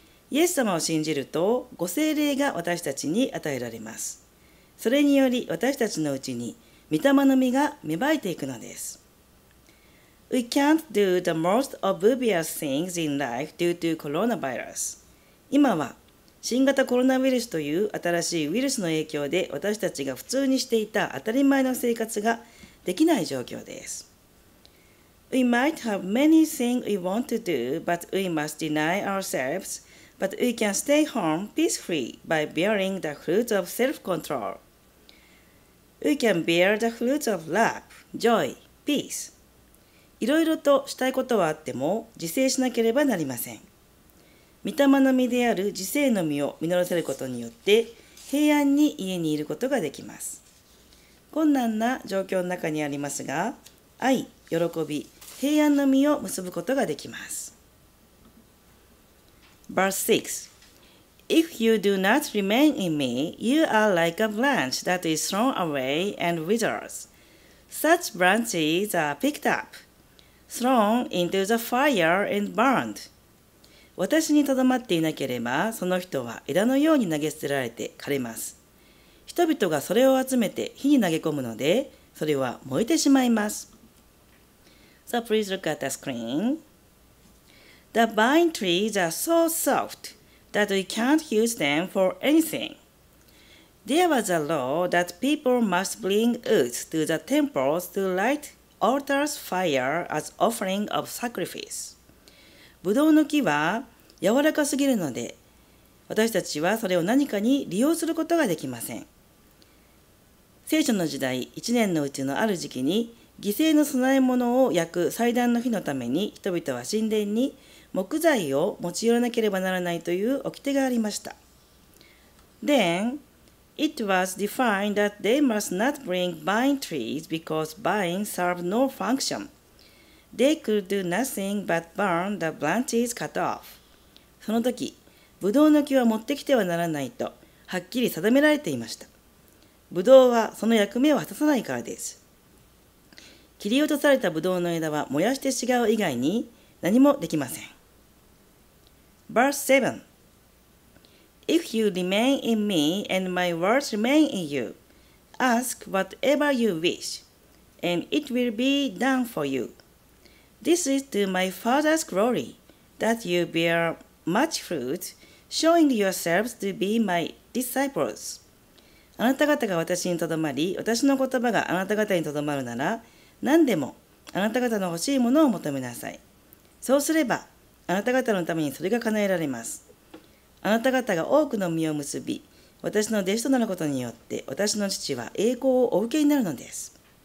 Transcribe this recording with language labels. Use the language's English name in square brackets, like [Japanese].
[Japanese] イエス様を信じると、ご聖霊が私たちに与えられます。それにより私たちのうちに、御霊の実が芽生えていくのです。 [English] We can't do the most obvious things in life due to coronavirus. [Japanese] 今は、新型コロナウイルスという新しいウイルスの影響で私たちが普通にしていた当たり前の生活ができない状況です。 [English] We might have many things we want to do, but we must deny ourselves, but we can stay home peacefully by bearing the fruits of self-control. We can bear the fruits of love, joy, peace. [Japanese] いろいろとしたいことはあっても、自制しなければなりません。御霊の実である自制の実を実らせることによって、平安に家にいることができます。困難な状況の中にありますが、愛、喜び、平安の実を結ぶことができます。 [English] Verse 6. If you do not remain in me, you are like a branch that is thrown away and withers. Such branches are picked up. Thrown into the fire and burned. [Japanese] 私にとどまっていなければ、その人は枝のように投げ捨てられて枯れます。人々がそれを集めて火に投げ込むので、それは燃えてしまいます。 [English] So please look at the screen. The vine trees are so soft that we can't use them for anything. There was a law that people must bring wood to the temples to light. Altars fire as offering of sacrifice. [Japanese] ブドウの木は柔らかすぎるので、私たちはそれを何かに利用することができません。聖書の時代、一年のうちのある時期に、犠牲の供え物を焼く祭壇の火のために、人々は神殿に木材を持ち寄らなければならないという掟がありました。 [English] Then,It was defined that they must not bring vine trees because vines serve no function. They could do nothing but burn the branches cut off. [Japanese] その時、ブドウの木は持ってきてはならないとはっきり定められていました。ブドウはその役目を果たさないからです。切り落とされたブドウの枝は燃やして違う以外に何もできません。 [English] Verse 7. If you remain in me and my words remain in you, ask whatever you wish, and it will be done for you. This is to my Father's glory, that you bear much fruit, showing yourselves to be my disciples. [Japanese] あなた方が私にとどまり、私の言葉があなた方にとどまるなら、何でもあなた方の欲しいものを求めなさい。そうすれば、あなた方のためにそれが叶えられます。あなた方が多くの実を結び、私の弟子となることによって、私の父は栄光をお受けになるのです。